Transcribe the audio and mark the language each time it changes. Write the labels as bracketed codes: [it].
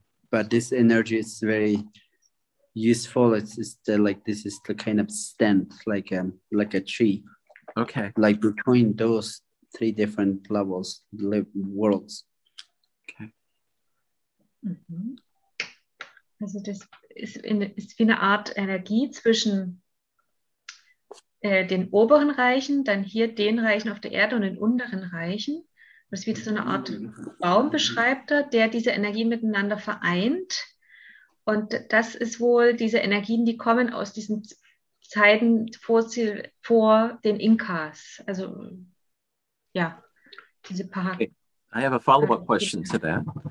[en] But this energy is very useful. It's the, like this is the kind of stand like a tree. Okay. Like between those three different levels, worlds. [de] Also das ist wie eine Art Energie zwischen den oberen Reichen, dann hier den Reichen auf der Erde und den unteren Reichen. Das ist wie so eine Art Baumbeschreibter, der diese Energien miteinander vereint. Und das ist wohl diese Energien, die kommen aus diesen Zeiten vor den Inkas. Also ja, diese paar. [en] Okay. I have a follow-up question to that.